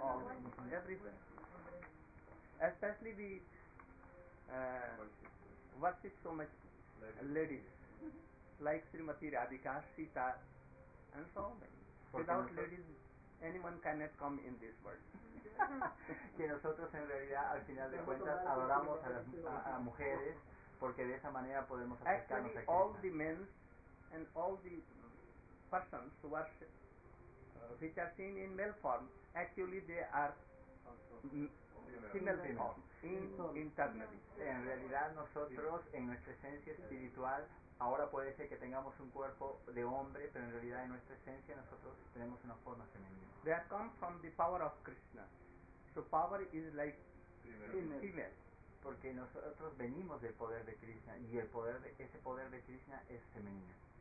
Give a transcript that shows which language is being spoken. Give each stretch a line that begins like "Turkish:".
English: Oh, everywhere. Especially we worship so much ladies, like Srimati Radhika, Sita, and so many. Without ladies, anyone cannot come in this world.
Spanish: Que nosotros en realidad, al final de cuentas, adoramos a las a mujeres porque de esa manera podemos acercarnos
English: actually,
Spanish: a Cristo.
English: All the men and all the persons who are which are seen in male form, actually they are female form, internally.
Spanish: En realidad nosotros, en nuestra esencia espiritual, ahora puede ser que tengamos un cuerpo de hombre, pero en realidad en nuestra esencia nosotros tenemos una forma femenina.
English: They have come from the power of Krishna. So power is like female.
Spanish: Porque nosotros venimos del poder de Krishna y el poder de, ese poder de Krishna es femenino.